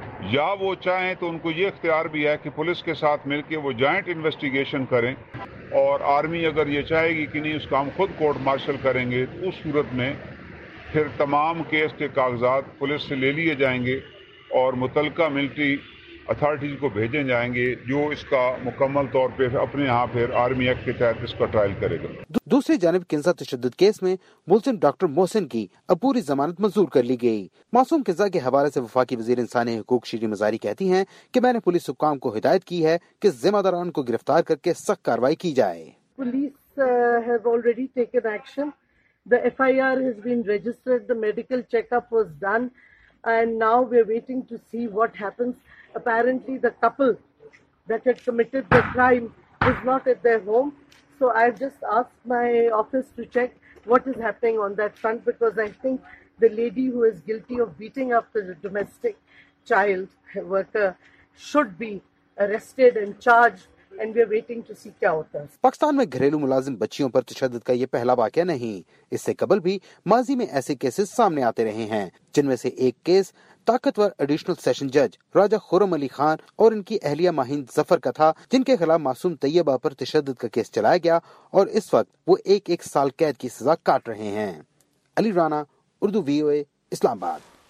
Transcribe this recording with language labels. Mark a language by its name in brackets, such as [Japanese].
[Urdu] یا وہ چاہیں تو ان کو یہ اختیار بھی ہے کہ پولیس کے ساتھ مل کے وہ جوائنٹ انویسٹیگیشن کریں، اور آرمی اگر یہ چاہے گی کہ نہیں اس کا ہم خود کورٹ مارشل کریں گے تو اس صورت میں پھر تمام کیس کے کاغذات پولیس سے لے لیے جائیں گے اور متعلقہ ملٹری اتھارٹیز کو بھیجے جائیں گے جو اس کا مکمل طور پر اپنے ہاں پھر آرمی ایکٹ کے تحت اس کا ٹرائل کرے گا۔ دوسری جانب کنزا تشدد کیس میں ملزم ڈاکٹر محسن کی اپوری ضمانت منظور کر لی گئی۔ معصوم کنزا کے حوالے سے وفاقی وزیر انسانی حقوق شیریں مزاری کہتی ہیں کہ میں نے پولیس حکام کو ہدایت کی ہے کہ ذمہ داران کو گرفتار کر کے سخت کاروائی کی جائے۔ [English] police apparently the couple that had committed the crime is not at their home, so I have just asked my office to check what is happening on that front, because I think the lady who is guilty of beating up the domestic child worker should be arrested and charged, and we are waiting to see [Urdu] kya hota hai. Pakistan mein gharelu mulazim bachiyon par tashaddud ka ye pehla waqia nahi, isse qabl bhi maazi mein aise cases samne aate rahe hain, jinme se ek case طاقتور additional session جج راجہ خرم علی خان اور ان کی اہلیہ ماہین ظفر کا تھا، جن کے خلاف معصوم طیبہ پر تشدد کا کیس چلایا گیا اور اس وقت وہ ایک ایک سال قید کی سزا کاٹ رہے ہیں۔ علی رانا، اردو وی او اے، اسلام آباد۔